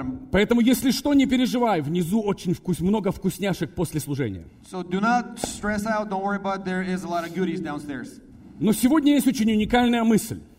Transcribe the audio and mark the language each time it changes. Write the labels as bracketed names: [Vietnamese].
[Russian] Поэтому, если что, не переживай. Внизу очень вкусно, много вкусняшек после служения. [English] So do not stress out, don't worry about it. There is a lot of goodies downstairs. [Russian] Но сегодня есть очень уникальная мысль.